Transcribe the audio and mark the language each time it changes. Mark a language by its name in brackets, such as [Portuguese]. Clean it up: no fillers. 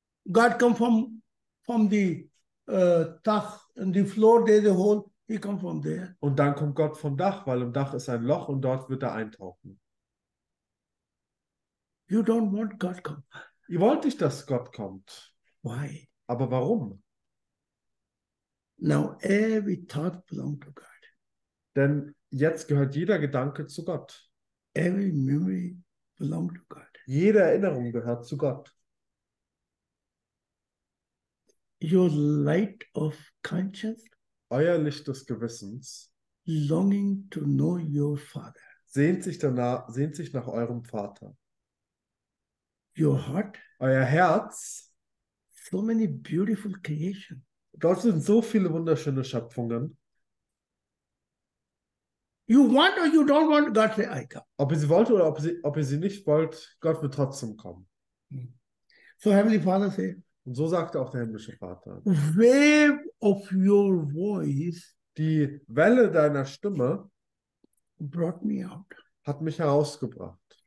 [English] God come from the Dach, in the floor there's a hole, he come from there. [German] Und dann kommt Gott vom Dach, weil im Dach ist ein Loch und dort wird er eintauchen. [English] You don't want God come. [German] Ihr wollt nicht, dass Gott kommt. [English] Why? [German] Aber warum? [English] Now every thought belongs to God. [German] Denn jetzt gehört jeder Gedanke zu Gott. [English] Every memory belongs to God. [German] Jede Erinnerung gehört zu Gott. [English] Your light of conscience. [German] Euer Licht des Gewissens. [English] Longing to know your Father. [German] Sehnt sich nach eurem Vater. [English] Your heart, [German] euer Herz, [English] so many beautiful creations. [German] Dort sind so viele wunderschöne Schöpfungen. [English] You want or you don't want, God say, I come. [German] Ob ihr sie wollt oder ob ihr sie nicht wollt, Gott wird trotzdem kommen. [English] So Heavenly Father say, [German] und so sagte auch der himmlische Vater. [English] Wave of your voice, [German] die Welle deiner Stimme, [English] brought me out. [German] Hat mich herausgebracht.